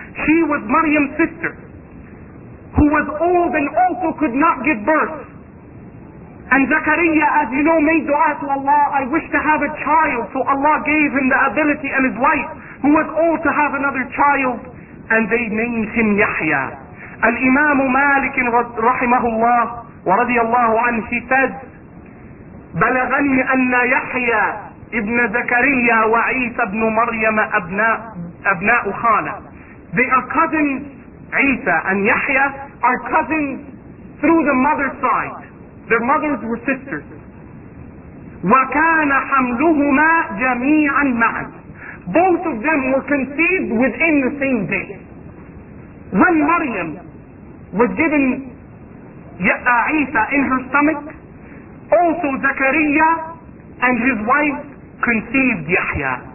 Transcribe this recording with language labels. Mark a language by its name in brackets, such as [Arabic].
[English] She was Maryam's sister, who was old and also could not give birth. And Zachariah, as you know, made dua to Allah, I wish to have a child. So Allah gave him the ability and his wife, who was old, to have another child. And they named him Yahya. [Arabic] Al-Imam Malik, rahimahullah, wa radiyallahu anhu, [English] he said, [Arabic] بلغني أن يحيى ابن زكريا وعيسى ابن مريم أبناء خالة. [English] They are cousins, Isa and Yahya are cousins through the mother's side. Their mothers were sisters. [Arabic] وَكَانَ حَمْلُهُمَا جَمِيعًا مَعًا. [English] Both of them were conceived within the same day. When Maryam was given Isa in her stomach, also Zachariah and his wife conceived Yahya.